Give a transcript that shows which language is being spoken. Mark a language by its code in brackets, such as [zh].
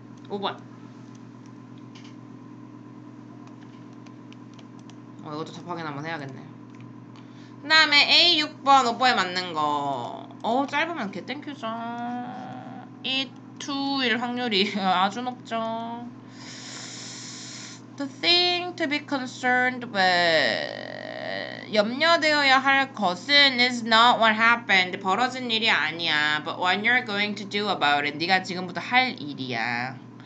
[ko] 5번 이것도 답 확인 한번 해야겠네. 그 다음에 A6번 오빠에 맞는 거 짧으면 개땡큐죠. It 2일 확률이 아주 높죠. [en] The thing to be concerned with [ko] 염려되어야 할 것은 [en] is not what happened. [ko] 벌어진 일이 아니야. [en] But what you're going to do about it. [ko] 네가 지금부터 할 일이야.